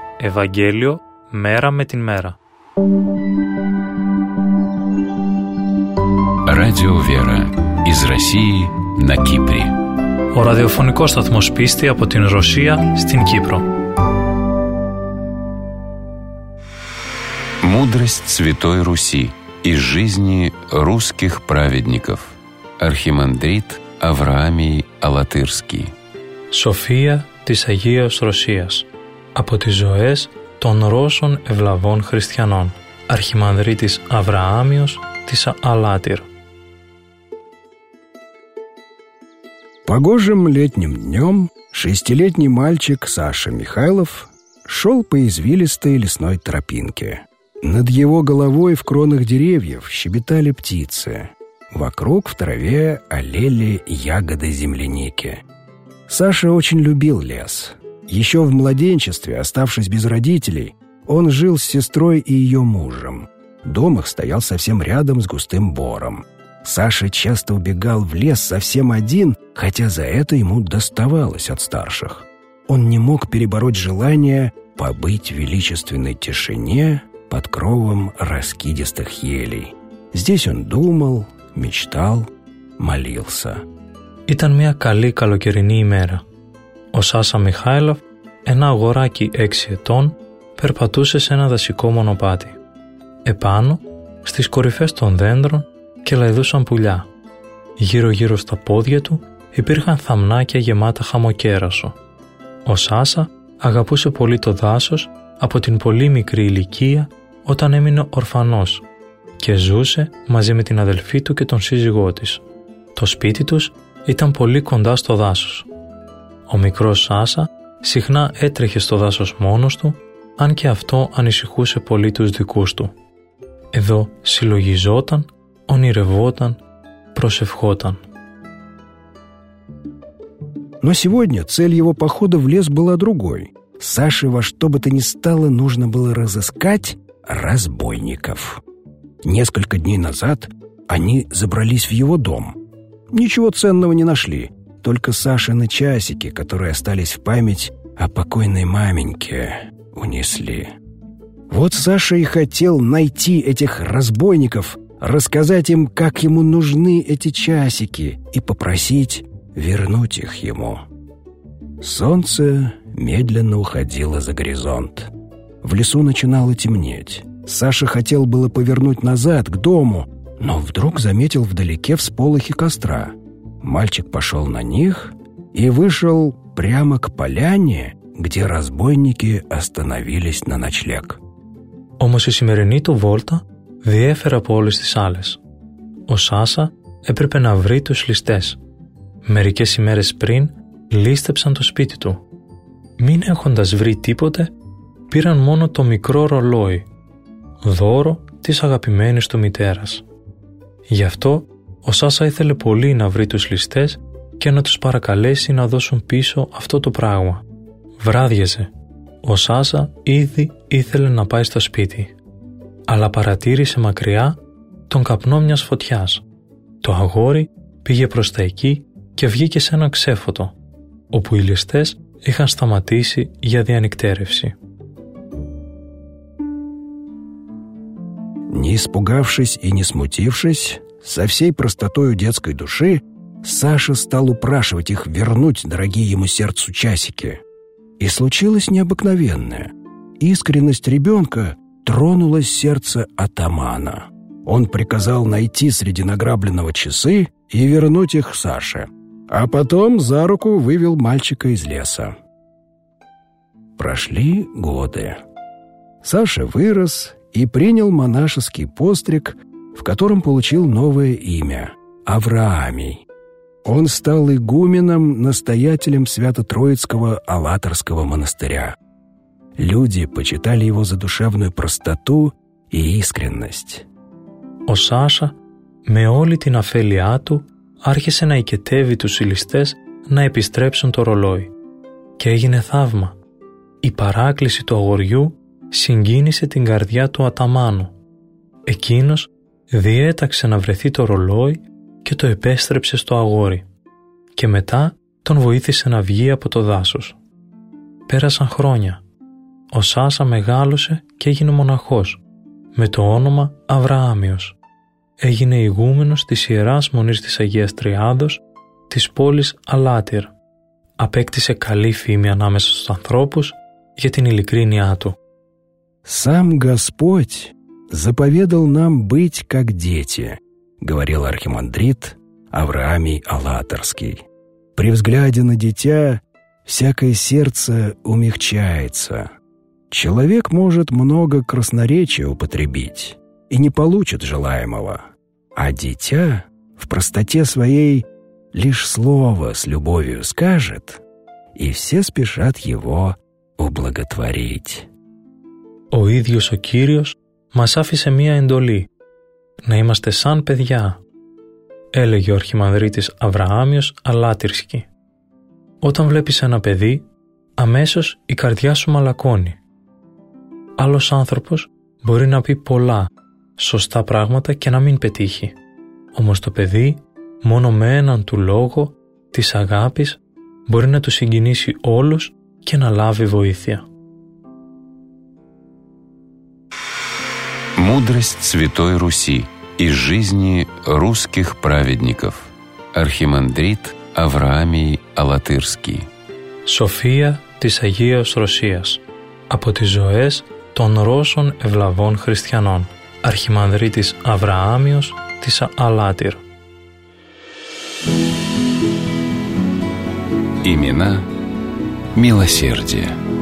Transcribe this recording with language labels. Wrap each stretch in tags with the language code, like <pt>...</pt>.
<ru>Евангелие мера</ru> <el>με την</el> <ru>мера. Радио Вера из России на Кипре.</ru> <el>О радиофонικό σταθμός πίστη από την Ρωσία στην Κύπρο.</el> <ru>Мудрость Святой Руси. Из жизни русских праведников. Архимандрит Авраамий Алатырский.</ru> <el>София της Αγίας Ρωσίας. Από τις ζωές των Ρώσων ευλαβών χριστιανών. Αρχιμανδρίτης Αβραάμιος της Αλάτυρ.</el> <ru>Погожим летним днем шестилетний мальчик Саша Михайлов шел по извилистой лесной тропинке. Над его головой в кронах деревьев щебетали птицы. Вокруг в траве алели ягоды земляники. Саша очень любил лес. Еще в младенчестве, оставшись без родителей, он жил с сестрой и ее мужем. Дом их стоял совсем рядом с густым бором. Саша часто убегал в лес совсем один, хотя за это ему доставалось от старших. Он не мог перебороть желание побыть в величественной тишине под кровом раскидистых елей. Здесь он думал, мечтал, молился.</ru> <el>Ήταν μια καλή καλοκαιρινή ημέρα. Ο Σάσα Μιχάηλοφ, ένα αγοράκι 6 ετών, περπατούσε σε ένα δασικό μονοπάτι. Επάνω, στις κορυφές των δέντρων, κελαϊδούσαν πουλιά. Γύρω-γύρω στα πόδια του υπήρχαν θαμνάκια γεμάτα χαμοκέρασο. Ο Σάσα αγαπούσε πολύ το δάσος από την πολύ μικρή ηλικία όταν έμεινε ορφανός και ζούσε μαζί με την αδελφή του και τον σύζυγό της. Το σπίτι τους ήταν πολύ κοντά στο δάσος. Ο μικρός Σάσα συχνά έτρεχε στο δάσος μόνος του, αν και αυτό ανησυχούσε πολύ τους δικούς του. Εδώ συλλογιζόταν, ονειρευόταν, προσευχόταν.</el> <ru>Но сегодня цель его похода в лес была другой. Саше во что бы то ни стало нужно было разыскать разбойников. Несколько дней назад они забрались в его дом. Ничего ценного не нашли, только Сашины часики, которые остались в память о покойной маменьке, унесли. Вот Саша и хотел найти этих разбойников, рассказать им, как ему нужны эти часики, и попросить вернуть их ему. Солнце медленно уходило за горизонт. В лесу начинало темнеть. Саша хотел было повернуть назад, к дому, но вдруг заметил вдалеке всполохи костра. Мальчик пошел на них и вышел прямо к поляне, где разбойники остановились на ночлег.</ru> <el>Όμως η σημερινή του βόλτα διέφερε από όλες τις άλλες. Ο Σάσα έπρεπε να βρει τους ληστές. Μερικές ημέρες πριν λίστεψαν το σπίτι του. Μην έχοντας βρει τίποτε, πήραν μόνο το μικρό ρολόι, δώρο της αγαπημένης του μητέρας. Γι' αυτό ο Σάσα ήθελε πολύ να βρει τους ληστές και να τους παρακαλέσει να δώσουν πίσω αυτό το πράγμα. Βράδιαζε. Ο Σάσα ήδη ήθελε να πάει στο σπίτι. αλλά παρατήρησε μακριά τον καπνό μιας φωτιάς. Το αγόρι πήγε προς τα εκεί και βγήκε σε ένα ξέφωτο, όπου οι ληστές είχαν σταματήσει για διανυκτέρευση.</el> <ru>Не испугавшись и не смутившись, со всей простотою детской души Саша стал упрашивать их вернуть дорогие ему сердцу часики. И случилось необыкновенное. Искренность ребенка тронула сердце атамана. Он приказал найти среди награбленного часы и вернуть их Саше. А потом за руку вывел мальчика из леса. Прошли годы. Саша вырос и принял монашеский постриг, в котором получил новое имя – Авраамий. Он стал игуменом, настоятелем Свято-Троицкого Алаторского монастыря. Люди почитали его за душевную простоту и искренность.</ru> <el>Ο Σάσα με όλη την αφέλειά του άρχισε να οικετεύει τους ληστές να επιστρέψουν το ρολόι. Και έγινε θαύμα. Η παράκληση του αγοριού συγκίνησε την καρδιά του αταμάνου. Εκείνος διέταξε να βρεθεί το ρολόι και το επέστρεψε στο αγόρι και μετά τον βοήθησε να βγει από το δάσος. Πέρασαν χρόνια. Ο Σάσα μεγάλωσε και έγινε μοναχός με το όνομα Αβραάμιος. Έγινε ηγούμενος της Ιεράς Μονής της Αγίας Τριάδος της πόλης Αλάτιρ. Απέκτησε καλή φήμη ανάμεσα στους ανθρώπους για την ειλικρίνειά του.</el> <ru>«Сам Господь заповедал нам быть как дети», говорил архимандрит Авраамий Алаторский. «При взгляде на дитя всякое сердце умягчается. Человек может много красноречия употребить и не получит желаемого, а дитя в простоте своей лишь слово с любовью скажет, и все спешат его ублаготворить».</ru> <el>Ο ίδιος ο Κύριος μας άφησε μία εντολή «Να είμαστε σαν παιδιά», έλεγε ο αρχιμανδρίτης Αβραάμιος Αλάτιρσκι. «Όταν βλέπεις ένα παιδί, αμέσως η καρδιά σου μαλακώνει. Άλλος άνθρωπος μπορεί να πει πολλά, σωστά πράγματα και να μην πετύχει. Όμως το παιδί, μόνο με έναν του λόγο, της αγάπης, μπορεί να του συγκινήσει όλους και να λάβει βοήθεια».</el> <ru>Мудрость Святой Руси из жизни русских праведников. Архимандрит Авраамий Алатырский.</ru> <el>София της Агίας Ρωσίας. Από τις ζωές των Ρώσων ευλαβών χριστιανών. Αρχιμανδρίτης Αβραάμιος της Αλάτιρ.</el> <ru>Имена милосердия.</ru>